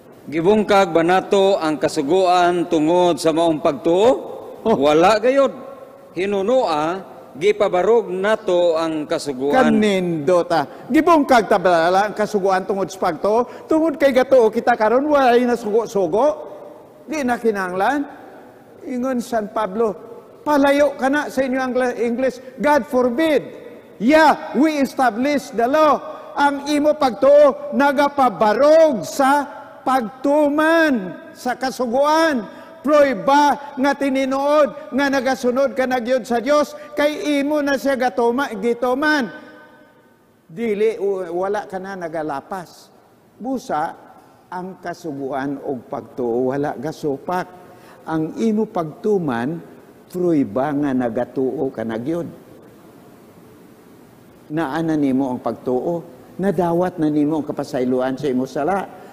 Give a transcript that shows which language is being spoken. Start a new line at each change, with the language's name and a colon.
Cebuano: Gibungkag ba nato ang kasuguan tungod sa maong pagtuo? Oh. Wala gayod. Hinunoa, gipabarog nato ang kasuguan. Kanindo ta. Gibungkag ta ba ang kasuguan tungod sa pagtuo? Tungod kay gatuo kita karon wala na sugo-sugo. Di na kinanglan. Ingon San Pablo, palayo ka na sa inyo ang English.
English: God forbid. Yeah, we establish the law.
Cebuano: Ang imo pagtuo, nagapabarog sa pagtuman sa kasuguan. Proy ba nga tininood nga nagasunod ka nagyod sa Dios kay imo na siya gatoma gituman dili wala ka na nagalapas busa ang kasuguan og pagtuo wala gasupak ang imo pagtuman proy ba nga nagatuo ka nagyod naana nimo ang pagtuo nadawat na nimo ang kapasayloan sa imo sala.